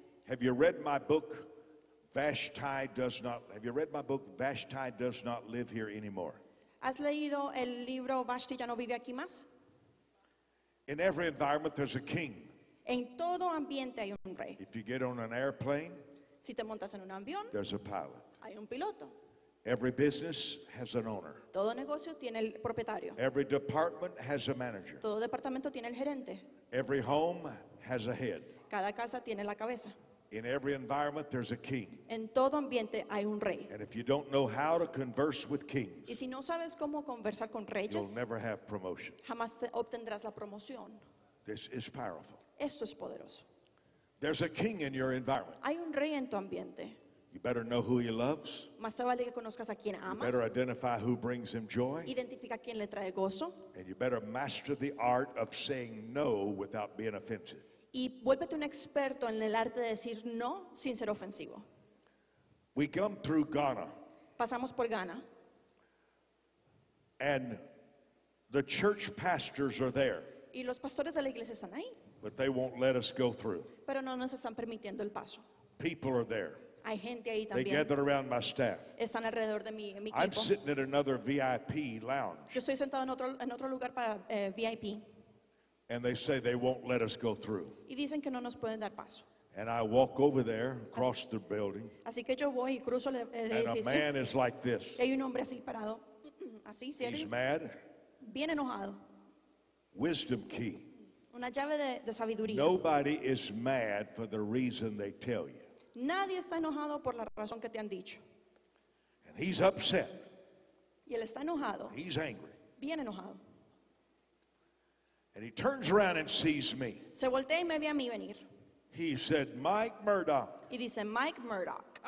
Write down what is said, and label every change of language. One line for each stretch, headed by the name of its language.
English: Have you read my book, Vashti Does Not? Have you read my book, Vashti Does Not Live Here Anymore?
Spanish: ¿Has leído el libro Vashti Ya No Vive Aquí Más?
English: In every environment, there's a king.
Spanish: En todo ambiente hay un rey.
English: If you get on an airplane,
Spanish: si te montas en un avión,
English: there's a pilot.
Spanish: Hay un piloto.
English: Every business has an owner.
Spanish: Todo negocio tiene el propietario.
English: Every department has a manager.
Spanish: Todo departamento tiene el gerente.
English: Every home has a head.
Spanish: Cada casa tiene la cabeza.
English: In every environment, there's a king.
Spanish: En todo ambiente hay un rey.
English: And if you don't know how to converse with kings,
Spanish: y si no sabes cómo conversar con reyes,
English: you'll never have promotion.
Spanish: Jamás obtendrás la promoción.
English: This is powerful.
Spanish: Esto es poderoso.
English: There's a king in your environment.
Spanish: Hay un rey en tu ambiente.
English: You better know who he loves.
Spanish: Más te vale que conozcas a quien ama.
English: You better identify who brings him joy.
Spanish: Identifica quién le trae gozo.
English: And you better master the art of saying no without being offensive.
Spanish: Y vuélvete un experto en el arte de decir no sin ser ofensivo.
English: We come through Ghana.
Spanish: Pasamos por Ghana.
English: And the church pastors are there.
Spanish: Y los pastores de la iglesia están ahí.
English: But they won't let us go through.
Spanish: Pero no nos están permitiendo el paso.
English: People are there.
Spanish: Hay gente ahí también.
English: They gather around my staff.
Spanish: Están alrededor de mi equipo.
English: I'm sitting in another VIP lounge.
Spanish: Yo estoy sentado en otro lugar para VIP.
English: And they say they won't let us go through.
Spanish: Y dicen que no nos pueden dar paso.
English: And I walk over there across the building.
Spanish: Así que yo voy y cruzo el edificio.
English: And a man is like this.
Spanish: Hay un hombre así parado. Así, ¿sí?
English: He's mad.
Spanish: Bien enojado.
English: Wisdom key.
Spanish: Una llave de sabiduría.
English: Nobody is mad for the reason they tell you.
Spanish: Nadie está enojado por la razón que te han dicho.
English: And he's upset.
Spanish: Y él está enojado.
English: He's angry.
Spanish: Bien enojado.
English: And he turns around and sees me.
Spanish: Se voltea y me ve a mí venir.
English: He said, Mike Murdock.
Spanish: Y dice, Mike Murdock.